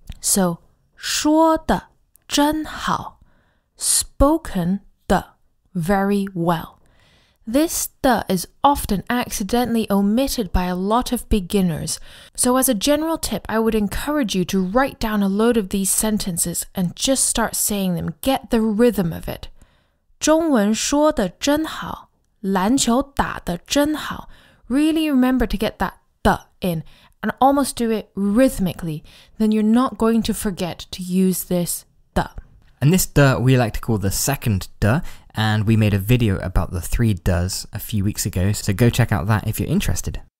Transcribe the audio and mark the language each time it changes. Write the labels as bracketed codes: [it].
[en] So [zh] 说的真好, [en] spoken 的 very well. This 的 is often accidentally omitted by a lot of beginners. So as a general tip, I would encourage you to write down a load of these sentences and just start saying them. Get the rhythm of it. [zh] 中文说得真好,篮球打得真好. [en] Really remember to get that 的 in and almost do it rhythmically. Then you're not going to forget to use this 的. And this 的 we like to call the second 的, And we made a video about the three does a few weeks ago, so go check out that if you're interested.